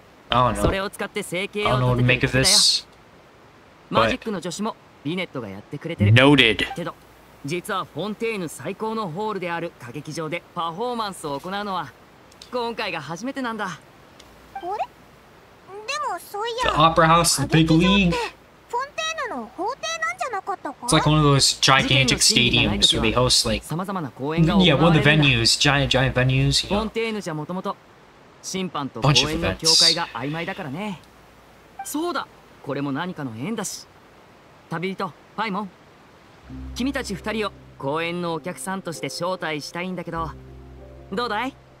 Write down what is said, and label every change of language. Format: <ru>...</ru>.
<en>I don't know what to make of this.</en> <ja>マジックの女子もリネットがやってくれてる。</ja> <en>Noted.</en> <ja>実はフォンテーヌ最高のホールである歌劇場でパフォーマンスを行うのは今回が初めてなんだ。あれ？でもそういや、</ja> <en>The Opera House, the big league.</en> <ja>フォンテーヌの法廷なんじゃなかったか？</ja> <en>It's like one of those gigantic stadiums where they host like, yeah, one of the venues, giant venues.</en> <ja>フォンテーヌじゃもともと審判と公園の境界が曖昧だからね。そうだ、これも何かの縁だし。旅人、パイモン。君たち二人を公演のお客さんとして招待したいんだけど、どうだい</ja>